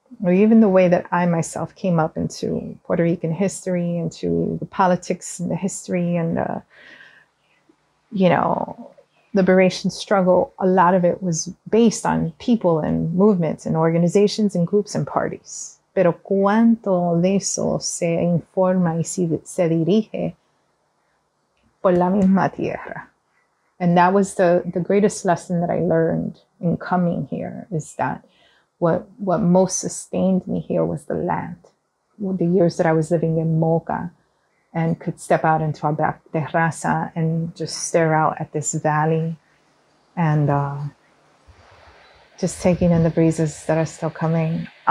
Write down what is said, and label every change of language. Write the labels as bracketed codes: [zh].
[en] Or even the way that I myself came up into Puerto Rican history, into the politics and the history and the, you know, liberation struggle, a lot of it was based on people and movements and organizations and groups and parties. [es] Pero cuánto de eso se informa y se dirige por la misma tierra. [en] And that was the greatest lesson that I learned in coming here, is that what most sustained me here was the land. The years that I was living in Moca and could step out into our back terraza and just stare out at this valley and just taking in the breezes that are still coming.